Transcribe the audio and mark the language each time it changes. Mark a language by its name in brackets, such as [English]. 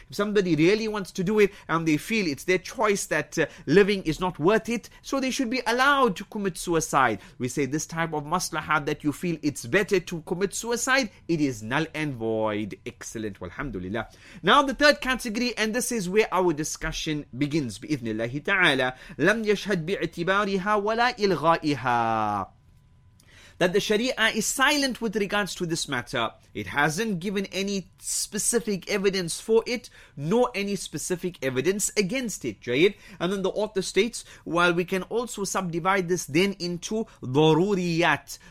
[English] If somebody really wants to do it and they feel it's their choice that living is not worth it, so they should be allowed to commit suicide. We say this type of maslaha that you feel it's better to commit suicide, it is null and void. Excellent. Alhamdulillah. Now the third category, and this is where our discussion begins. [Arabic] بإذنالله تعالى لم يشهد باعتبارها ولا إلغائها. [English] That the Sharia is silent with regards to this matter. It hasn't given any specific evidence for it, nor any specific evidence against it. Jayid. And then the author states, while we can also subdivide this then into ضروريات.